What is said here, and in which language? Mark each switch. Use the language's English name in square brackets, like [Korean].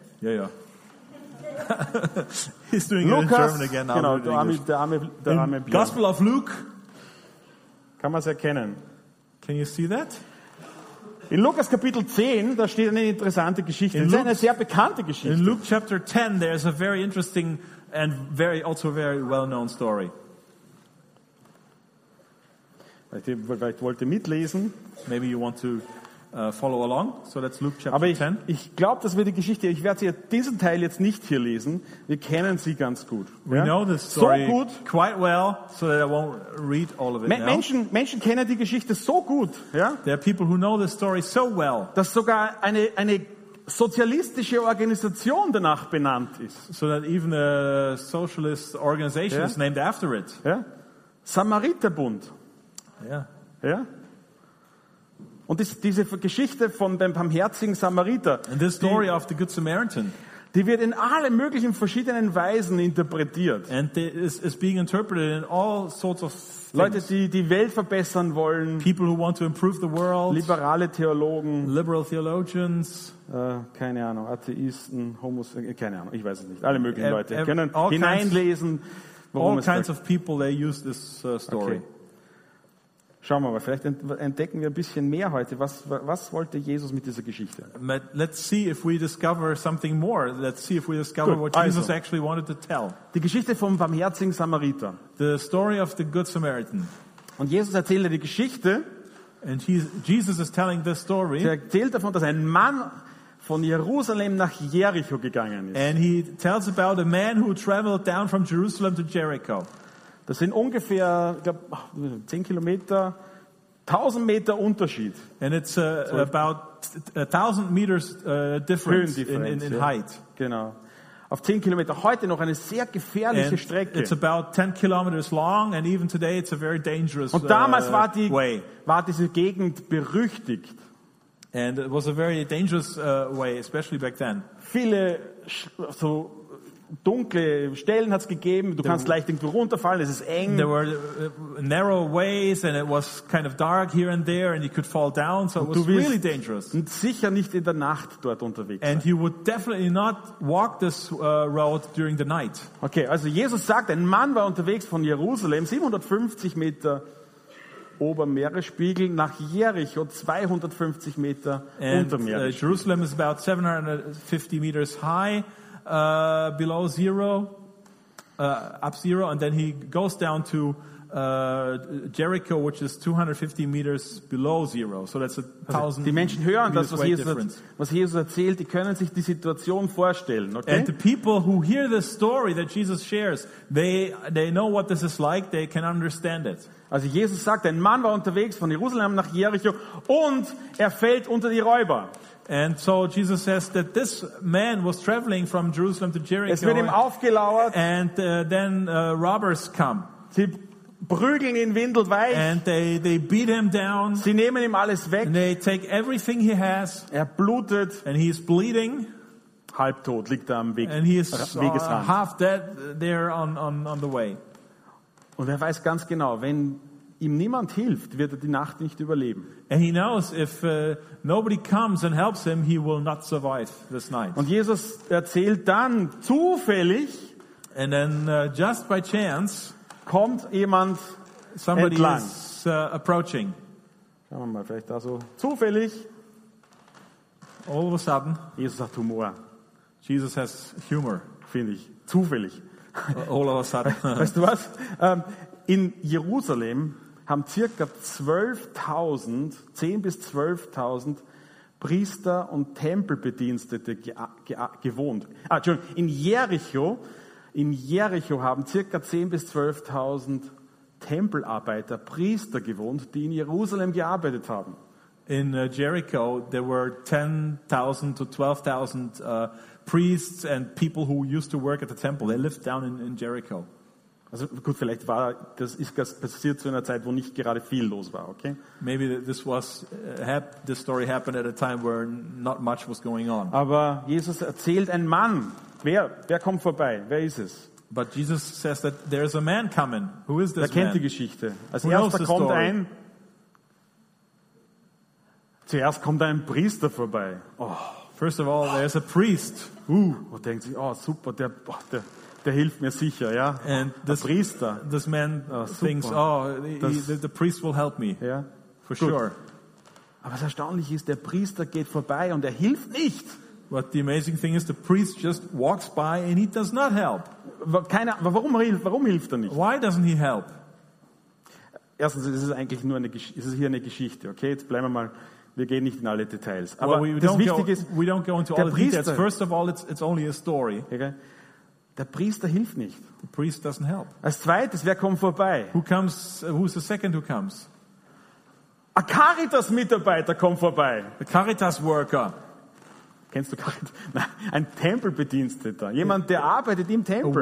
[German] Ja. [English] He's doing [German] Lukas, [English] it in German again. Now [German] genau, der arme [English] Gospel of Luke. [German] Kann man es erkennen? [English] Can you see that? [German] In Lukas Kapitel 10, da steht eine interessante Geschichte. Das ist eine sehr bekannte Geschichte. [English] In Luke Chapter 10, there is a very interesting and very also very well-known story. [German] Vielleicht wollt ihr mitlesen. [English] Maybe you want to follow along. So that's Luke chapter 10. [German] Aber ich glaube, dass wir die Geschichte, ich werde diesen Teil jetzt nicht hier lesen. Wir kennen sie ganz gut. [English] We know this story so [German] gut, [English] quite well, so that I won't read all of it now. [German] Menschen kennen die Geschichte so gut. [English] There are people who know the story so well. [German] Dass sogar eine sozialistische Organisation danach benannt ist. [English] So that even a socialist organization is named after it. Yeah. Samariterbund. Yeah. [German] Und diese Geschichte von dem barmherzigen Samariter, [English] and this story of the Good Samaritan, [German] die wird in alle möglichen verschiedenen Weisen interpretiert. [English] And is being interpreted in all sorts of things. [German] Leute, die die Welt verbessern wollen. [English] People who want to improve the world. [German] Liberale Theologen. [English] Liberal theologians. [German] Keine Ahnung, Atheisten, keine Ahnung, ich weiß es nicht. Alle möglichen Leute können hineinlesen. [English] All kinds of people, they use this story. Okay. [German] Schauen wir mal, vielleicht entdecken wir ein bisschen mehr heute. Was wollte Jesus mit dieser Geschichte? [English] Let's see if we discover something more. Let's see if we discover what Jesus actually wanted to tell. [German] Die Geschichte vom barmherzigen Samariter. [English] The story of the Good Samaritan. [German] Und Jesus erzählt die Geschichte. [English] And Jesus is telling this story. [German] Er erzählt davon, dass ein Mann von Jerusalem nach Jericho gegangen ist. [English] And he tells about a man who traveled down from Jerusalem to Jericho. [German] Das sind ungefähr, ich glaube, 10 Kilometer, 1000 Meter Unterschied. [English] And it's about 1000 meters difference in height. [German] Genau. Auf 10 Kilometer heute noch eine sehr gefährliche [English] and [German] Strecke. [English] It's about 10 kilometers long and even today it's a very dangerous way. [German] Und damals war die war diese Gegend berüchtigt. [English] And it was a very dangerous way, especially back then. [German] Viele so dunkle Stellen hat es gegeben. Du kannst leicht irgendwo runterfallen. Es ist eng. [English] There were narrow ways and it was kind of dark here and there and you could fall down. So it was really dangerous. [German] Und sicher nicht in der Nacht dort unterwegs. [English] And you would definitely not walk this road during the night. [German] Okay, also Jesus sagt, ein Mann war unterwegs von Jerusalem 750 Meter Obermeeresspiegel nach Jericho 250 Meter Untermeer. [English] Jerusalem is about 750 meters high. Below zero, up zero, and then he goes down to Jericho, which is 250 meters below zero. So that's a thousand. [German] Die Menschen hören das, was Jesus erzählt. Die können sich die Situation vorstellen. [English] Okay? And the people who hear the story that Jesus shares, they know what this is like. They can understand it. [German] Also Jesus sagt, ein Mann war unterwegs von Jerusalem nach Jericho und er fällt unter die Räuber. [English] And so Jesus says that this man was traveling from Jerusalem to Jericho. [German] Es wird ihm aufgelauert. [English] And then robbers come. [German] Sie prügeln ihn windelweich. [English] And they beat him down. [German] Sie nehmen ihm alles weg. [English] And they take everything he has. [German] Er blutet. [English] And he is bleeding. [German] Halbtot liegt er am Weg. [English] And he is half dead there on the way. [German] Und er weiß ganz genau, wenn ihm niemand hilft, wird er die Nacht nicht überleben. [English] And he knows if nobody comes and helps him, he will not survive this night. [German] Und Jesus erzählt dann zufällig, [English] and then just by chance, [German] kommt jemand [English] somebody [German] entlang. [English] Is approaching. [German] Schauen wir mal, vielleicht da so zufällig. [English] All of a sudden, [German] Jesus hat Humor. [English] Jesus has humor, [German] finde ich. Zufällig. [English] All of a sudden. [German] Weißt du was? In Jerusalem haben circa 10 bis 12.000 Priester und Tempelbedienstete gewohnt. Entschuldigung, in Jericho haben circa 10 bis 12.000 Tempelarbeiter, Priester gewohnt, die in Jerusalem gearbeitet haben. [English] In Jericho there were 10.000 to 12.000 priests and people who used to work at the temple. They lived down in Jericho. [German] Also gut, vielleicht war das passiert zu einer Zeit, wo nicht gerade viel los war, okay? [English] Maybe this story happened at a time where not much was going on. [German] Aber Jesus erzählt ein Mann. Wer kommt vorbei? Wer ist es? [English] But Jesus says that there is a man coming. Who is this man? [German] Er kennt die Geschichte. Als erster kommt ein. Zuerst kommt ein Priester vorbei. Oh. [English] First of all, there is a priest. [German] Und denkt sich, oh super, der hilft mir sicher, ja. [English] And [German] der Priester. [English] This man thinks, the priest will help me. Yeah. For Good. Sure. [German] Aber was erstaunlich ist, der Priester geht vorbei und er hilft nicht. [English] But the amazing thing is, the priest just walks by and he does not help. [German] Warum hilft er nicht? [English] Why doesn't he help? [German] Erstens, es ist hier eine Geschichte, okay? Jetzt bleiben wir mal. Wir gehen nicht in alle Details. Aber [English] we don't go into all the details. First of all, it's only a story. Okay. [German] Der Priester hilft nicht. [English] The priest doesn't help. [German] Als zweites, wer kommt vorbei? [English] Who's the second who comes? [German] A Caritas-Mitarbeiter kommt vorbei. [English] A Caritas-Worker. [German] Kennst du Caritas? Nein, ein Tempelbediensteter. Jemand, der arbeitet im Tempel.